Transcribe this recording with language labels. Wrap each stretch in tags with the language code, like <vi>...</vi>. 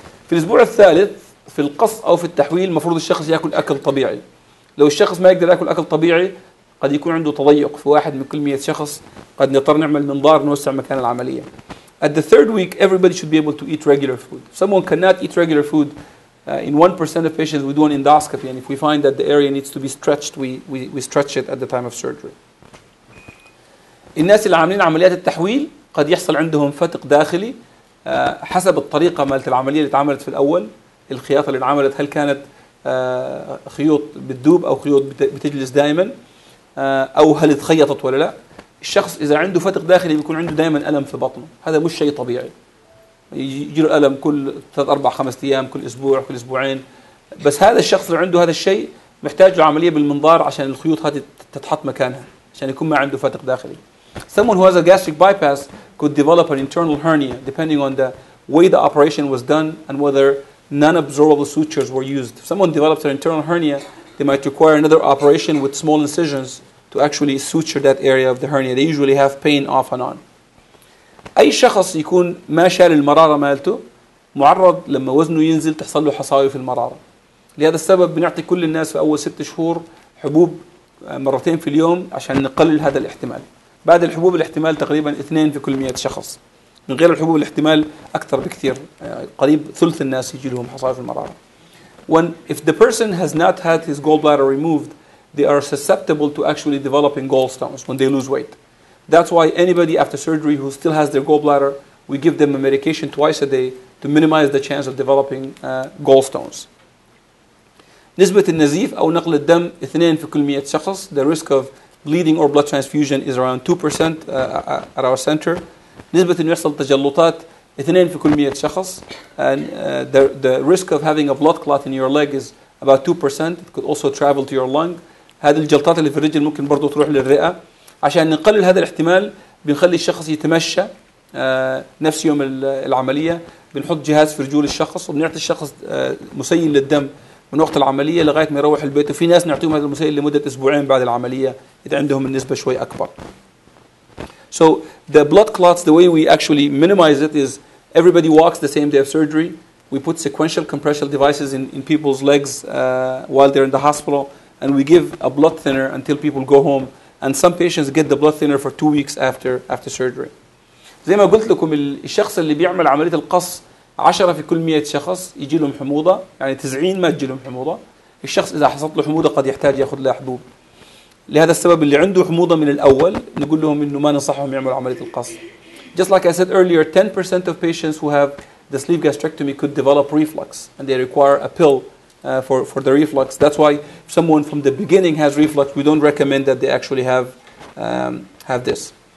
<ar>في الأسبوع الثالث في القص أو في التحويل مفروض الشخص يأكل أكل طبيعي. لو الشخص ما يقدر يأكل أكل طبيعي قد يكون عنده تضيق في واحد من كل 100 شخص قد نضطر نعمل منظار نوسع مكان العملية.</ar> <en>At the third week everybody should be able to eat regular food. Someone cannot eat regular food in 1% of patients we do an endoscopy and if we find that the area needs to be stretched we stretch it at the time of surgery.</en> <ar>الناس اللي عاملين عمليات التحويل قد يحصل عندهم فتق داخلي حسب الطريقة مالت العملية اللي اتعملت في الأول. الخياطة اللي اتعملت هل كانت خيوط بتدوب أو خيوط بتجلس دائما أو هل اتخيطت ولا لا. الشخص إذا عنده فتق داخلي بيكون عنده دائما ألم في بطنه، هذا مش شيء طبيعي، يجيله ألم كل 3-4-5 أيام، كل أسبوع، كل أسبوعين. بس هذا الشخص اللي عنده هذا الشيء محتاج له عملية بالمنظار عشان الخيوط هذه تتحط مكانها عشان يكون ما عنده فتق داخلي.</ar> <en>Someone who has a gastric bypass could develop an internal hernia depending on the way the operation was done and whether non-absorbable sutures were used. If someone develops an internal hernia, they might require another operation with small incisions to actually suture that area of the hernia. They usually have pain off and on.</en> <ar>أي شخص يكون ما شال المرارة مالته معرض لما وزنه ينزل تحصل له حصاوي في المرارة. لهذا السبب بنعطي كل الناس في أول 6 شهور حبوب مرتين في اليوم عشان نقلل هذا الاحتمال. بعد الحبوب الاحتمال تقريبا 2 في كل 100 شخص، من غير الحبوب الاحتمال أكثر بكثير، قريب ثلث الناس يجي لهم حصائف المرارة.</ar> <en>When if the person has not had his gallbladder removed, they are susceptible to actually developing gallstones when they lose weight. That's why anybody after surgery who still has their gallbladder, we give them a medication twice a day to minimize the chance of developing gallstones.</en> <ar>نسبة النزيف أو نقل الدم 2 في كل 100 شخص.</ar> <en>The risk of bleeding or blood transfusion is around 2% at our center.</en> <ar>نسبة أن يحصل تجلطات 2 في كل 100 شخص.</ar> <en>And the risk of having a blood clot in your leg is about 2%. It could also travel to your lung.</en> <ar>هذه الجلطات اللي في الرجل ممكن برضو تروح للرئة. عشان نقلل هذا الاحتمال بنخلي الشخص يتمشى نفس يوم العملية. بنحط جهاز في رجول الشخص وبنعطي الشخص مسيل للدم من وقت العمليه لغايه ما يروح البيت. وفي ناس نعطيهم هذا المسيل لمده اسبوعين بعد العمليه اذا عندهم النسبه شوي اكبر.</ar> <en>So the blood clots, the way we actually minimize it is everybody walks the same day of surgery. We put sequential compression devices in people's legs while they're in the hospital, and we give a blood thinner until people go home. And some patients get the blood thinner for 2 weeks after surgery.</en> <ar>زي ما قلت لكم الشخص اللي بيعمل عملية القص 10 في كل 100 شخص يجي لهم حموضة, يعني 90 ما يجي لهم حموضة. الشخص إذا حصلت له حموضة قد يحتاج يأخذ له حبوب. لهذا السبب اللي عنده حموضة من الأول نقول لهم إنه ما ننصحهم يعملوا عملية القص.</ar> <en>Just like I said earlier, 10% of patients who have the sleeve gastrectomy could develop reflux and they require a pill for the reflux. That's why if someone from the beginning has reflux, we don't recommend that they actually have this.</en>